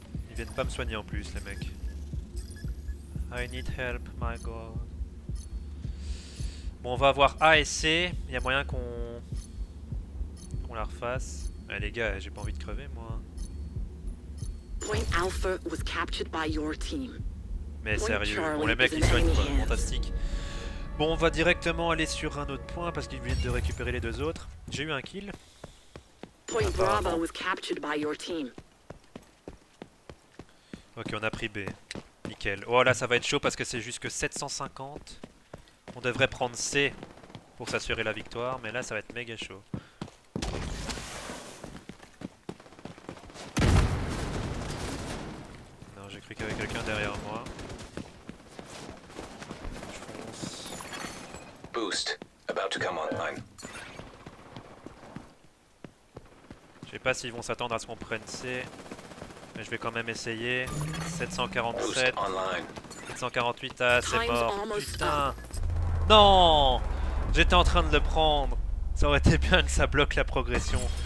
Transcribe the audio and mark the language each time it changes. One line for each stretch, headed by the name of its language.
French: Ils viennent pas me soigner en plus, les mecs.
English: I need help, my god.
French: Bon, on va avoir A et C. Il y a moyen qu'on la refasse. Mais les gars, j'ai pas envie de crever, moi.
English: Point Alpha was captured by your team.
French: Mais sérieux, bon, les mecs, ils soignent quoi. Fantastique. Bon, on va directement aller sur un autre point parce qu'ils viennent de récupérer les deux autres. J'ai eu un kill.
English: Point Bravo was captured by your team.
French: Ok, on a pris B. Nickel. Oh là, ça va être chaud parce que c'est jusque 750. On devrait prendre C pour s'assurer la victoire, mais là, ça va être méga chaud. Non, j'ai cru qu'il y avait... qu'il y avait quelqu'un derrière moi. Je fonce.
English: Boost about to come online.
French: Je sais pas s'ils vont s'attendre à ce qu'on prenne C, mais je vais quand même essayer. 747.
English: Boost online.
French: 748 A, c'est mort. Putain. Non, j'étais en train de le prendre. Ça aurait été bien que ça bloque la progression.